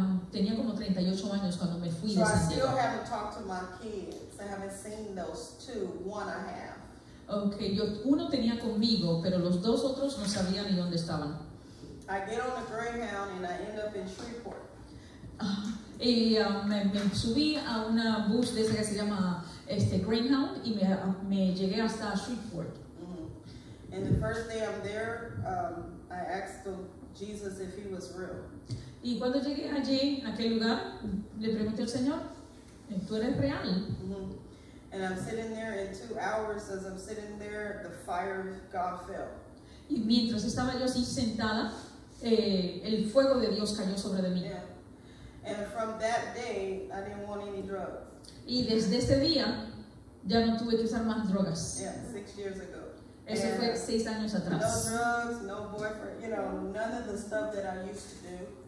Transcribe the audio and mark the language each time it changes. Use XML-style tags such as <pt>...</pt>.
<es>Tenía como 38 años cuando me fui de</es> <en>San Diego. So I still haven't talked to my kids. I haven't seen those 2. One I have.</en> <es>Okay, uno tenía conmigo, pero los 2 otros no sabían ni dónde estaban.</es> <en>I get on a Greyhound and I end up in Shreveport.</en> <es>Me subí a una bus de esa que se llama Greyhound y me llegué hasta Shreveport.</es> <en>And the first day I'm there, I asked Jesus if he was real.</en> <es>Y cuando llegué allí, en aquel lugar, le pregunté al Señor, ¿tú eres real?</es> <en>And I'm sitting there, and 2 hours as I'm sitting there, the fire of God fell.</en> <es>Y mientras estaba yo así sentada, el fuego de Dios cayó sobre de mí.</es> <en>Yeah. And from that day, I didn't want any drugs.</en> <es>Y desde ese día, ya no tuve que usar más drogas.</es> <en>Yeah, 6 years ago.</en> <es>Eso fue 6 años atrás.</es> <en>No drugs, no boyfriend, you know, none of the stuff that I used to do.</en>